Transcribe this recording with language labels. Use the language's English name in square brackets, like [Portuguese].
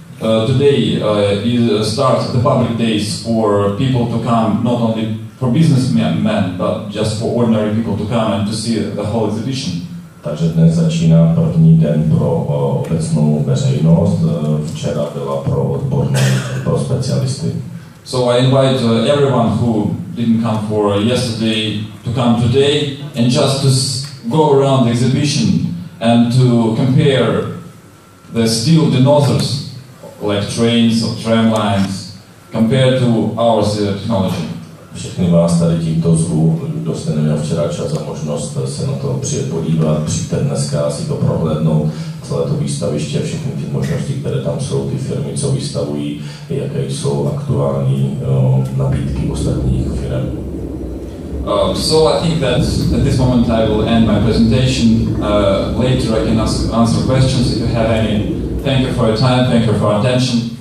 [English] Today starts the public days for people to come, not only for businessmen, but just for ordinary people to come and to see the whole exhibition. [Czech] Takže dnes začíná první den pro obecnou veřejnost, včera byla pro odborné, pro specialisty. [English] So I invite everyone who didn't come for yesterday to come today and just to go around the exhibition and to compare the steel dinosaurs, like trains or tram lines, compared to our technology. [Czech] Všechny vás tady tímto zvu, kdo jste neměl včera čas a možnost se na to přijet podívat, přijďte dneska si to prohlédnout, celé to výstaviště, všechny ty možnosti, které tam jsou, ty firmy, co vystavují, jaké jsou aktuální nabídky ostatních firm. [English] So I think that at this moment I will end my presentation. Later I can answer questions if you have any. Thank you for your time, thank you for your attention.